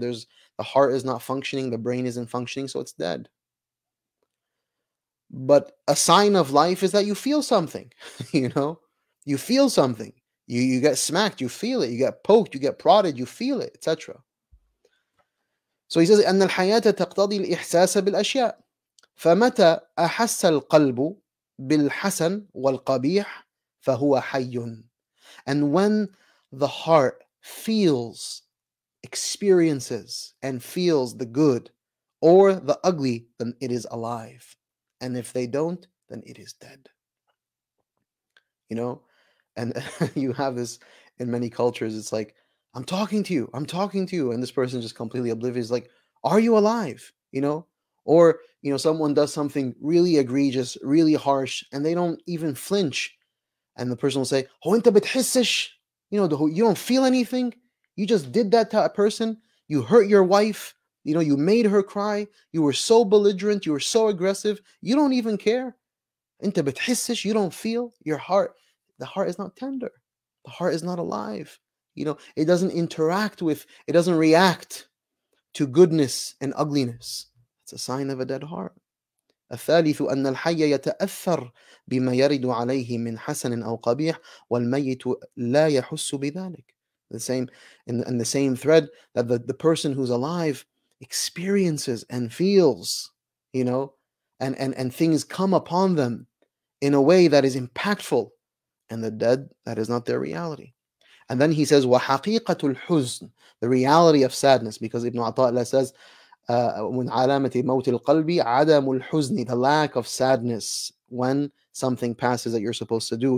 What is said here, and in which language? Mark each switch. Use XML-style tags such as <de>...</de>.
<en>There's the heart is not functioning, the brain isn't functioning, so it's dead. But a sign of life is that you feel something, you know? You feel something. You get smacked, you feel it. You get poked, you get prodded, you feel it, etc. So he says,</en> <ar>أَنَّ الْحَيَاةَ تَقْتَضِي الْإِحْسَاسَ بِالْأَشْيَاءِ فَمَتَى أَحَسَّ الْقَلْبُ بِالْحَسَنِ وَالْقَبِيحِ فَهُوَ حَيٌّ.</ar> <en>And when the heart feels, experiences, and feels the good or the ugly, then it is alive. And if they don't, then it is dead. You know, and you have this in many cultures. It's like, I'm talking to you, I'm talking to you. And this person just completely oblivious, like, are you alive? You know, or, you know, someone does something really egregious, really harsh, and they don't even flinch. And the person will say, oh,</en> <ar>انت بتحسش?</ar> <en>You know, you don't feel anything. You just did that to a person. You hurt your wife. You know, you made her cry. You were so belligerent. You were so aggressive. You don't even care.</en> <ar>انت بتحسش?</ar> <en>You don't feel your heart. The heart is not tender. The heart is not alive. You know, it doesn't interact with, it doesn't react to goodness and ugliness. It's a sign of a dead heart.</en> <ar>الثالث أن الحي يتأثر بما يرد عليه من حسن أو قبيح والميت لا يحس بذلك.</ar> <en>The same thread, that the person who's alive experiences and feels, you know, and things come upon them in a way that is impactful, and the dead, that is not their reality. And then he says,</en> <ar>وَحَقِيقَةُ الْحُزْنِ,</ar> <en>the reality of sadness, because Ibn Ata'illah says,</en> <ar>مِنْ عَلَامَةِ مَوْتِ الْقَلْبِ عَدَمُ الْحُزْنِ,</ar> <en>the lack of sadness when something passes that you're supposed to do.</en>